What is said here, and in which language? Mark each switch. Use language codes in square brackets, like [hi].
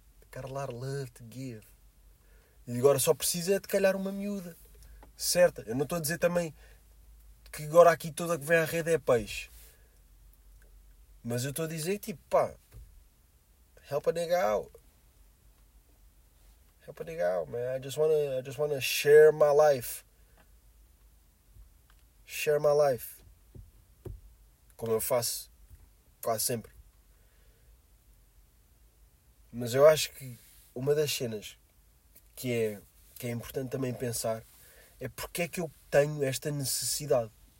[pt] Carlar [en] love to give. [pt] E agora só precisa de calhar uma miúda. Certo? Eu não estou a dizer também que agora aqui toda que vem à rede é peixe. Mas eu estou a dizer, tipo, pá, [en] help a nigga out. Help a nigga out, man. I just wanna share my life. Share my life. [pt] Como eu faço quase sempre. Mas eu acho que uma das cenas que é importante também pensar é porque é que eu tenho esta necessidade.